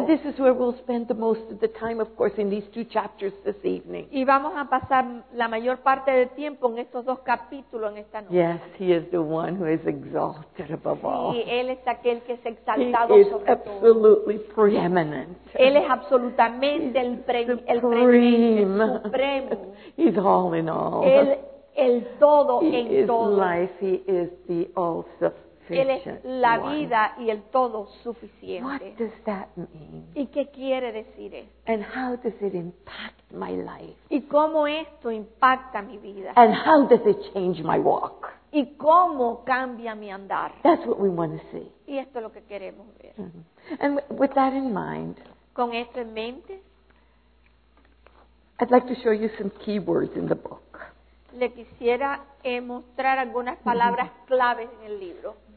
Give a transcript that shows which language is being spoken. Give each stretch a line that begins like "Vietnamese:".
English: And this is where we'll spend the most of the time, of course, in these two chapters this evening.
Spanish: Y vamos a pasar la mayor parte del tiempo en estos dos capítulos en esta noche.
English: Yes, he is the one who is exalted above all.
Spanish: Y él es aquel que es exaltado sobre todo.
English: He is absolutely preeminent.
Spanish: Él es absolutamente el supremo.
English: He's all in all.
Spanish: Él el todo en todo.
English: He is life, he is the all sufficient.
Spanish: Él es la vida y el todo suficiente.
English: What does that mean?
Spanish: ¿Y qué quiere decir esto?
English: And how does it impact my life?
Spanish: ¿Y cómo esto impacta mi vida?
English: And how does it change my walk?
Spanish: ¿Y cómo cambia mi andar?
English: That's what we want to see.
Spanish: Y esto es lo que queremos ver.
English: Mm-hmm. And with that in mind,
Spanish: con esto en mente,
English: I'd like to show you some keywords in the book.
Spanish: Le quisiera mostrar algunas palabras claves en el libro.